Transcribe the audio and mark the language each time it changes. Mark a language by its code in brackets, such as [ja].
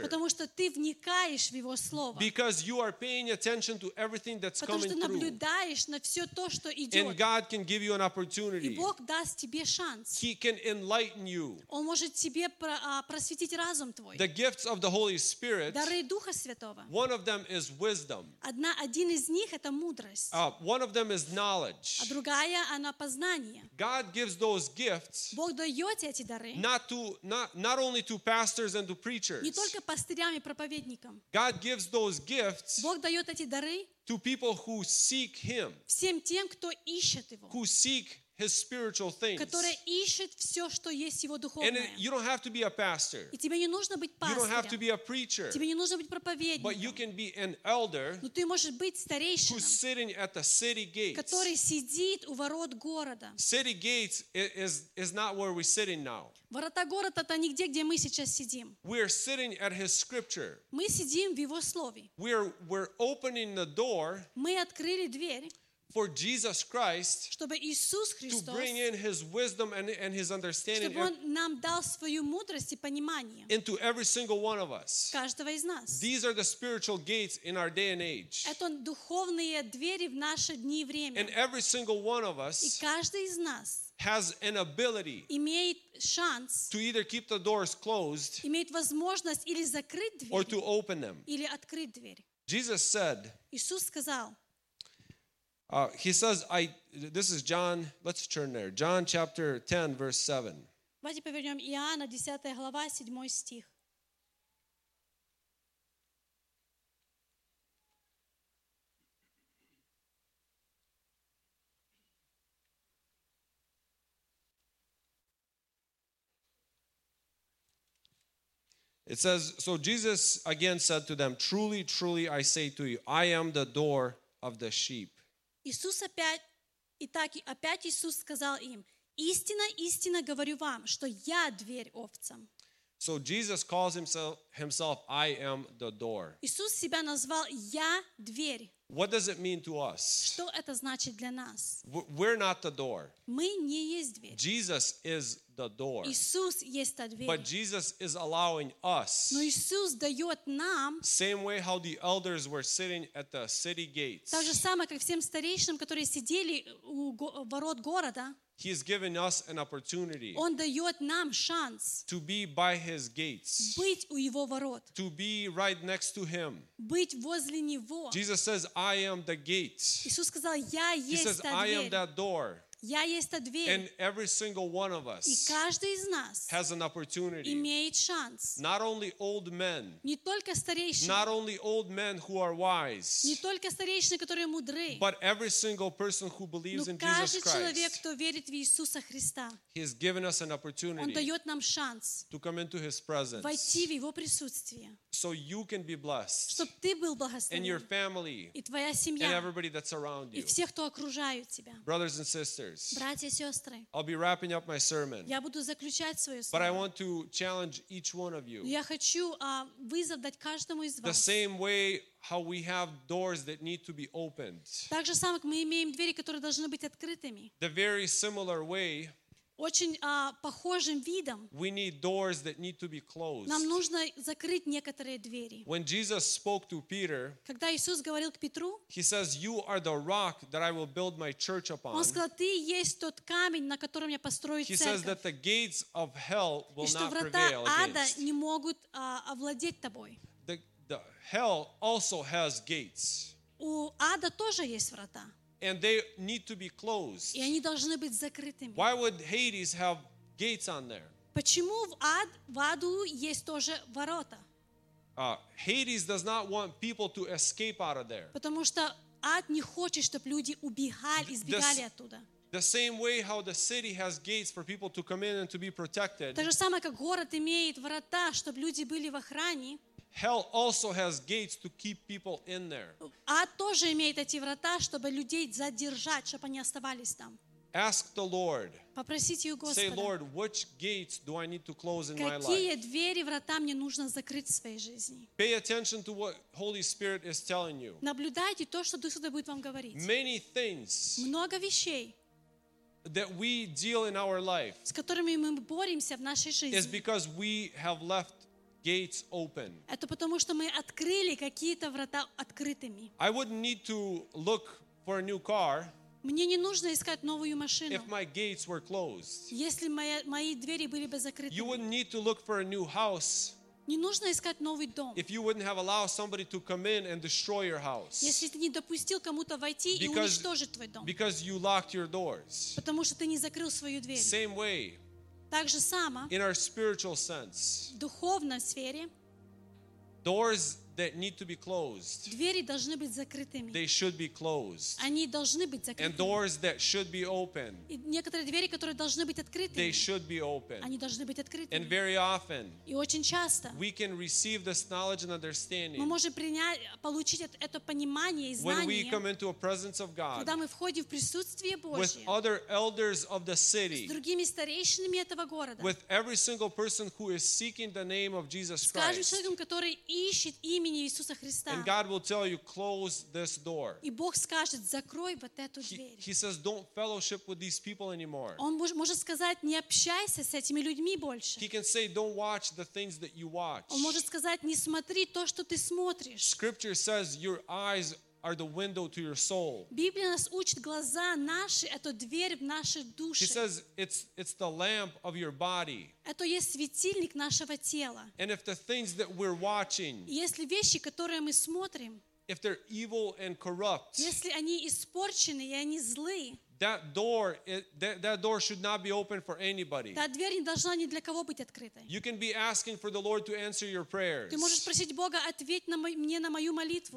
[ru] Потому что ты вникаешь в Его слово. [en] Because you are paying attention to everything that's coming through. [ru] Потому что наблюдаешь на все то, что идет. [en] And God can give you an opportunity. [ru] И Бог даст тебе шанс. [en] He can enlighten you. [ru] Он может тебе просветить разум твой. [en] The gifts of the Holy Spirit. [ru] Дары Духа Святого. [en] One of them is wisdom. [ru] Один из них это мудрость. [en] One of them is knowledge. [ru] А другая она познание. [en] God gives those gifts. [ru] Бог дает эти дары. [en] Not only to pastors. And to preachers. [ru] Не только пастырям и проповедникам. [en] God gives those gifts. [ru] Бог дает эти дары. [en] To people who seek Him. [ru] Всем тем, кто ищет Его. [en] Who seek His spiritual things. [ru] Которые ищут все, что есть Его духовное. [en] And you don't have to be a pastor. [ru] И тебе не нужно быть пастырем. [en] You don't have to be a preacher. [ru] Тебе не нужно быть проповедником. [en] But you can be an elder. [ru] Но ты можешь быть старейшиной. [en] Who's sitting at the city gates. [ru] Который сидит у ворот города. [en] City gates is not where we're sitting now. [ru] Ворота города это нигде, где мы сейчас сидим. [en] We are sitting at His scripture. [ru] Мы сидим в Его слове. [en] We're opening the door. [ru] Мы открыли дверь. [en] For Jesus Christ, [ru] чтобы Иисус Христос, [en] to bring in His wisdom and His understanding, [ru] чтобы Он нам дал свою мудрость и понимание, [en] into every single one of us, [ru] каждого из нас. [en] These are the spiritual gates in our day and age. [ru] Это духовные двери в наши дни и время. [en] And every single one of us, [ru] и каждый из нас, [en] has an ability, [ru] имеет шанс, [en] to either keep the doors closed, [ru] имеет возможность или закрыть двери, [en] or to open them, [ru] или открыть двери. [en] Jesus said, [ru] Иисус сказал. [en] He says, this is John, let's turn there. John chapter 10, verse 7. [ru] Давайте повернем Иоанна, 10 глава, 7 стих. [en] It says, so Jesus again said to them, truly, truly, I say to you, I am the door of the sheep. [ru] Иисус опять, и так опять Иисус сказал им: истинно, истинно говорю вам, что я дверь овцам. [en] So Jesus calls himself I am the door. [ru] Иисус себя назвал я дверь. [en] What does it mean to us? [ru] Что это значит для нас? [en] We're not the door. [ru] Мы не есть дверь. [en] Jesus is the door. [ru] Иисус есть та дверь. [en] But Jesus is allowing us. [ru] Но Иисус дает нам. [en] Same way how the elders were sitting at the city gates. [ru] Так же самое, как всем старейшинам, которые сидели у ворот города. [en] He has given us an opportunity. [ru] Он дает нам шанс. [en] To be by His gates. [ru] Быть у Его ворот. [en] To be right next to Him. [ru] Быть возле Него. [en] Jesus says, "I am the gate." [ru] Иисус сказал, "Я есть та дверь." [en] He says, "I am that door." [ru] Я есть та дверь. [en] And every single one of us. [ru] И каждый из нас. [en] Has an opportunity. [ru] Имеет шанс. [en] Not only old men. [ru] Не только старейшины. [en] Not only old men who are wise. [ru] Не только старейшины, которые мудры. [en] But every single person who believes in Jesus Christ. [ru] Но каждый человек, кто верит в Иисуса Христа. [en] He has given us an opportunity. [ru] Он дает нам шанс. [en] To come into His presence. [ru] Войти в Его присутствие. [en] So you can be blessed. [ru] Чтоб ты был благословен. [en] And your family. [ru] И твоя семья. [en] And everybody that's around you. [ru] И все, кто окружают тебя. [en] Brothers and sisters. [ru] Братья и сестры, [en] I'll be wrapping up my sermon. [ru] Я буду заключать свое слово. [en] But I want to challenge each one of you. [ru] Я хочу вызов дать каждому из вас. [en] The same way how we have doors that need to be opened. [ru] Так же самое, как мы имеем двери, которые должны быть открытыми. [en] The very similar way. [ru] очень похожим видом. [en] We need doors that need to be closed. [ru] Нам нужно закрыть некоторые двери. [en] When Jesus spoke to Peter, [ru] когда Иисус говорил к Петру, [en] he says, "You are the rock that I will build my church upon." [ru] Он сказал, ты есть тот камень, на котором я построю церковь. [en] He says that the gates of hell will not prevail [ru] И что врата ада не могут овладеть тобой. [en] The hell also has gates. [ru] У ада тоже есть врата. [en] And they need to be closed. [ru] И они должны быть закрытыми. [en] Why would Hades have gates on there? [ru] Почему в аду есть тоже ворота? [en] Hades does not want people to escape out of there. [ru] Потому что ад не хочет, чтобы люди убегали, избегали оттуда. [en] The same way how the city has gates for people to come in and to be protected. [ru] То же самое, как город имеет ворота, чтобы люди были в охране. [en] Hell also has gates to keep people in there. [ru] Ад тоже имеет эти врата, чтобы людей задержать, чтобы они оставались там. [en] Ask the Lord. [ru] Попросите у Господа. [en] Say, Lord, which gates do I need to close in my life? [ru] Какие двери, врата мне нужно закрыть в своей жизни? [en] Pay attention to what Holy Spirit is telling you. [ru] Наблюдайте то, что Дух Святой будет вам говорить. [en] Many things. [ru] Много вещей. [en] That we deal in our life. [ru] С которыми мы боремся в нашей жизни. [en] Is because we have left gates open. [ru] Это потому что мы открыли какие-то врата открытыми. [en] I wouldn't need to look for a new car. [ru] Мне не нужно искать новую машину. [en] If my gates were closed. [ru] Если мои двери были бы закрыты. [en] You wouldn't need to look for a new house. [ru] Не нужно искать новый дом. [en] If you wouldn't have allowed somebody to come in and destroy your house. [ru] Если ты не допустил кому-то войти и уничтожить твой дом. [en] Because you locked your doors. [ru] Потому что ты не закрыл свою дверь. [en] Same way. [ru] Также само. [en] In our spiritual sense. [ru] В духовной сфере. [en] Doors that need to be closed. [ru] Двери должны быть закрытыми. [en] They should be closed. [ru] Они должны быть закрытыми. [en] And doors that should be open. [ru] И некоторые двери, которые должны быть открытыми. [en] They should be open. [ru] Они должны быть открытыми. [en] And very often. [ru] И очень часто. [en] We can receive this knowledge and understanding. [ru] Мы можем получить это понимание и знание. [en] When we come into a presence of God. [ru] Когда мы входим в присутствие Божье. [en] With other elders of the city. [ru] С другими старейшинами этого города. [en] With every single person who is seeking the name of Jesus Christ. [ru] С каждым человеком, который ищет имя. [en] And God will tell you, close this door. [ru] И Бог скажет, закрой вот эту дверь. [en] He says, don't fellowship with these people anymore. [ru] Он может сказать, не общайся с этими людьми больше. [en] He can say, don't watch the things that you watch. [ru] Он может сказать, не смотри то, что ты смотришь. [en] Scripture says, your eyes are the window to your soul. [ru] Библия нас учит, глаза наши это дверь в наши души. [en] He says, it's the lamp of your body. [ru] Это есть светильник нашего тела. [en] And if the things that we're watching, [ru] если вещи, которые мы смотрим, [en] if they're evil and corrupt, [ru] если они испорчены и они злые, [en] that door should not be open for anybody. [ru] Та дверь не должна ни для кого быть открытой. [en] You can be asking for the Lord to answer your prayers. [ru] Ты можешь просить Бога ответь мне на мою молитву.